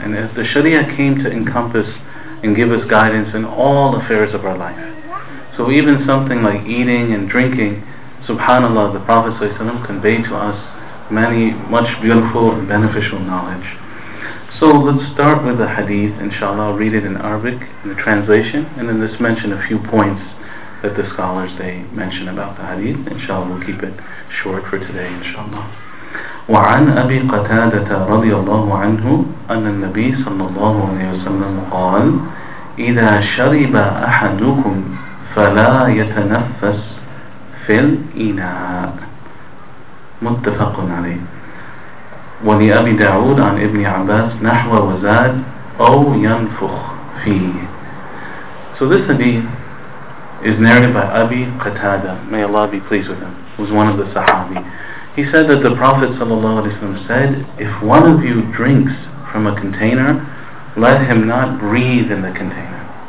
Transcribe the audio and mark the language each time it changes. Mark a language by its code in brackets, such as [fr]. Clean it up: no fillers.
[en] And if the sharia came to encompass and give us guidance in all affairs of our life, so even something like eating and drinking, subhanAllah, the Prophet ﷺ conveyed to us much beautiful and beneficial knowledge. So let's start with the hadith, inshallah. I'll read it in Arabic in the translation, and then just mention a few points that the scholars, they mention about the hadith. Inshallah, we'll keep it short for today, inshallah. [ar] وعن أبي قتادة رضي الله عنه أن النبي صلى الله عليه وسلم قال إذا شرب أحدكم فلا يتنفس في الإناء. متفق عليه. ولأبي داود عن ابن عباس نحو وزاد أو ينفخ فيه. [en] So this hadith is narrated by Abi Qatada, may Allah be pleased with him, who's one of the Sahabi. He said that the Prophet ﷺ said, if one of you drinks from a container, let him not breathe in the container.